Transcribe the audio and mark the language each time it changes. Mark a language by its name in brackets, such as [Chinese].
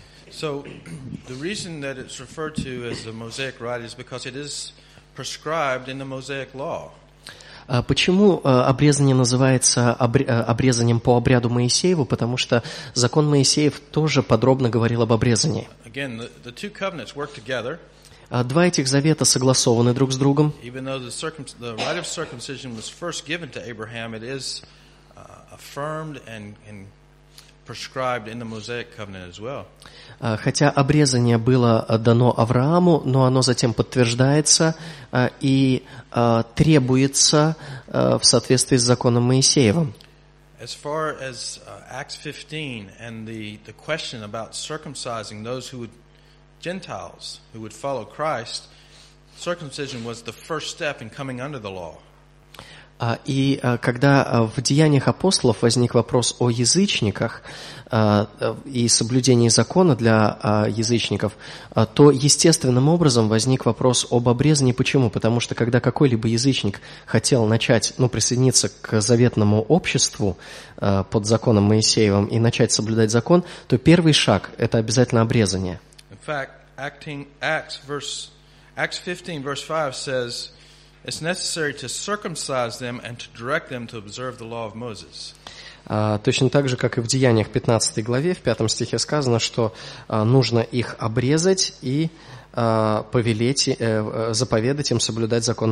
[English] So the reason that it's referred to as the Mosaic rite is because it is prescribed in the Mosaic law. [Russian] Почему обрезание называется обрезанием по обряду Моисееву? Потому что закон Моисеев тоже подробно говорил об обрезании. [English] Again, the two covenants work together. [Russian] Два этих завета согласованы друг с другом. [English] Even though the rite of circumcision was first given to Abraham, it is affirmed and prescribed in the Mosaic covenant as well. [Russian] Хотя обрезание было дано Аврааму, но оно затем подтверждается и требуется в соответствии с законом Моисеевым. [English] As far as Acts 15 and the question about circumcising those who would Gentiles who would follow Christ, circumcision was the first step in coming under the law. [Russian] И когда в Деяниях апостолов возник вопрос о язычниках и соблюдении закона для язычников, то естественным образом возник вопрос об обрезании. Почему? Потому что когда какой-либо язычник хотел начать, ну, присоединиться к заветному обществу под законом Моисеевым и начать соблюдать закон, то первый шаг – это обязательно обрезание. [English] In fact, Acts 15, verse 5 says, it's necessary to circumcise them and to direct them to observe the law of Moses. [Russian] Точно так же, как и в Деяниях 15 главе, в 5 стихе сказано, что нужно их обрезать и повелеть, заповедать им соблюдать закон